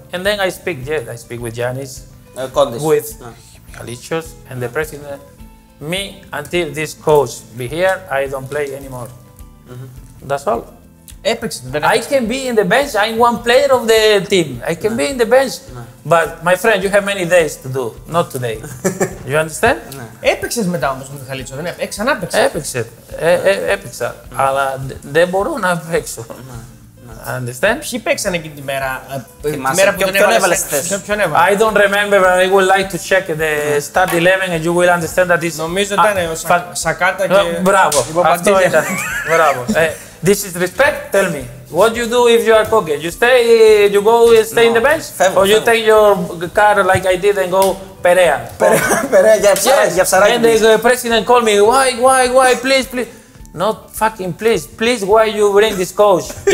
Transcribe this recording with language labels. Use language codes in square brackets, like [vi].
[en] And then I speak, I speak with Giannis. With Michalicios and the president. Me, until this coach be here, I don't play anymore. That's all. [el] Έπαιξε. Δεν έπαιξε. [en] I can be in the bench, I'm one player of the team. I can be in the bench. But my friend, you have many days to do, not today. You understand? [el] Έπαιξες μετά όμως με τον Χαλίτσο, δεν έπαιξε. Ξανά έπαιξε. Έπαιξε. Έπαιξα. Αλλά δεν μπορώ να παίξω. [en] Understand? [el] Ποιοι παίξαν εκείνη τη μέρα, τη μέρα που τον έβαλε στη θέση. Ποιον έβαλε. [en] I don't remember, but I would like to check the start 11 and you will understand that this... [el] Νομίζω ήταν ο Σακάτα και... Μπράβο, αυτό ήταν. Μπράβο. [en] This is respect, tell me. What do you do if you are Koke? You stay, you go stay in the bench? Or you take your car like I did and go Perea? [el] Perea, για ψαράκι. [en] And the president called me, why, please, please. Not fucking please. Please, why you bring this coach?